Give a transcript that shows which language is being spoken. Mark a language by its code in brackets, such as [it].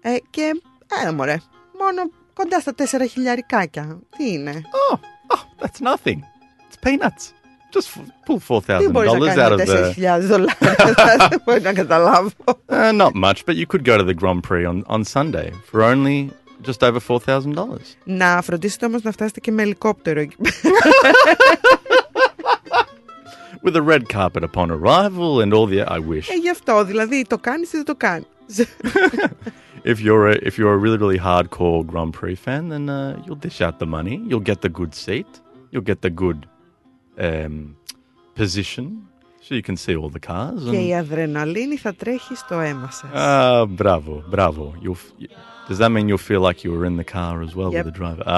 [el] Και μωρέ, μόνο κοντά στα 4 χιλιαρικάκια. Τι είναι? [en] Oh, that's nothing. It's peanuts. Just pull $4,000 out of there. [el] Τι μπορείς να κάνεις 4,000 δολάρια. Μπορείς να καταλάβω. [en] Not much, but you could go to the Grand Prix on Sunday for only just over $4,000. [el] Να φροντίσετε όμως να φτάσετε και με ελικόπτερο. [en] With a red carpet upon arrival and all the... I wish. [el] Γι' αυτό, δηλαδή, το κάνεις ή δεν το κάνεις. [en] If you're a really, really hardcore Grand Prix fan, then you'll dish out the money. You'll get the good seat. You'll get the good position so you can see all the cars. And... [el] Και η αδρεναλίνη θα τρέχει στο αίμα σας. Bravo, bravo. [en] Does that mean you'll feel like you were in the car as well, yep, with the driver?